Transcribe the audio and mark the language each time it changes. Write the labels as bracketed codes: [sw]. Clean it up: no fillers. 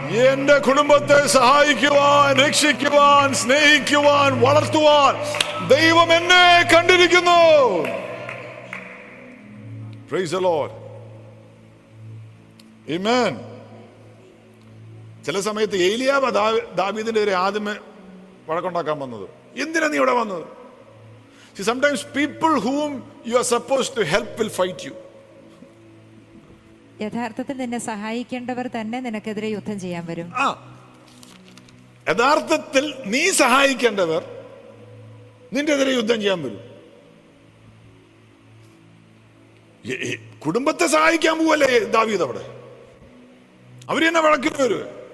[ml] എന്റെ കുടുംബത്തെ സഹായിക്കുവാൻ, രക്ഷിക്കുവാൻ, സ്നേഹിക്കുവാൻ, വളർത്തുവാൻ ദൈവം എന്നെ കണ്ടിരിക്കുന്നു. [en] Praise the lord. Amen. [ml] ചില സമയത്ത് ഏലിയാവ് ദാവീദിന്റെ ഒരു ആദ്യമേ വഴക്കുണ്ടാക്കാൻ വന്നത്, എന്തിനാ നീ ഇവിടെ വന്നത്? [en] See, sometimes people whom you are supposed to help will fight you. [ml] യഥാർത്ഥത്തിൽ നിന്നെ സഹായിക്കേണ്ടവർ തന്നെ നിനക്കെതിരെ യുദ്ധം ചെയ്യാൻ വരും. യഥാർത്ഥത്തിൽ നീ സഹായിക്കേണ്ടവർ നിന്റെ എതിരെ യുദ്ധം ചെയ്യാൻ വരും. കുടുംബത്തെ സഹായിക്കാൻ പോവല്ലേ ദാവീദ്? അവിടെ അവരെന്നെ വഴക്കിന് വരും.